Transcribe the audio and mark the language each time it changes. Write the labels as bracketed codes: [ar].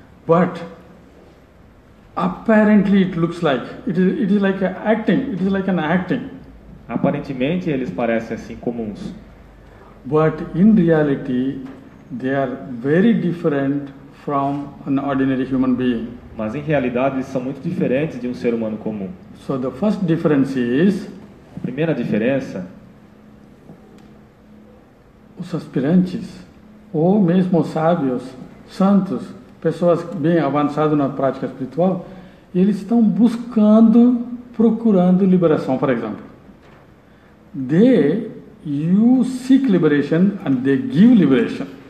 [en] But apparently it looks like it is like acting. It is like an acting. [pt] Aparentemente eles parecem assim comuns. [en] But in reality they are very different from an ordinary human being. [pt] Mas em realidade eles são muito diferentes de um ser humano comum. [en] So the first difference is. [pt] A primeira diferença. Os aspirantes ou mesmo os sábios, santos, pessoas bem avançadas na prática espiritual, eles estão buscando, procurando liberação, por exemplo. [en] They, you seek liberation and they give liberation.